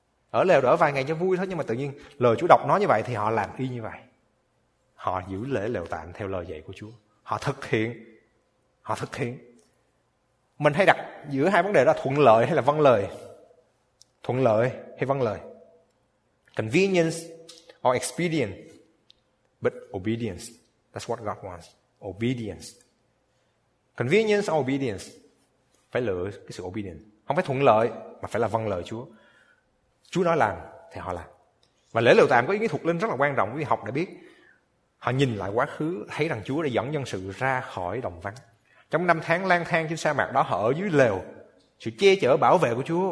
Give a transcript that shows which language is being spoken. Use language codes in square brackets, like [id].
[vi] Ở lều đỡ vài ngày cho vui thôi, nhưng mà tự nhiên lời Chúa đọc nói như vậy thì họ làm y như vậy. Họ giữ lễ lều tạm theo lời dạy của Chúa. Họ thực hiện, họ thực hiện. Mình hay đặt giữa hai vấn đề đó, thuận lợi hay là vâng lời. Thuận lợi hay vâng lời. [en] Convenience or expedient, but obedience, that's what God wants. Obedience. Convenience or obedience. [vi] Phải lựa cái sự obedience, không phải thuận lợi mà phải là vâng lời Chúa. Chúa nói làm thì họ làm. Và lễ lều tạm có ý nghĩa thuộc linh rất là quan trọng. Quý học đã biết, họ nhìn lại quá khứ, thấy rằng Chúa đã dẫn dân sự ra khỏi đồng vắng. Trong năm tháng lang thang trên sa mạc đó, họ ở dưới lều, sự che chở bảo vệ của Chúa.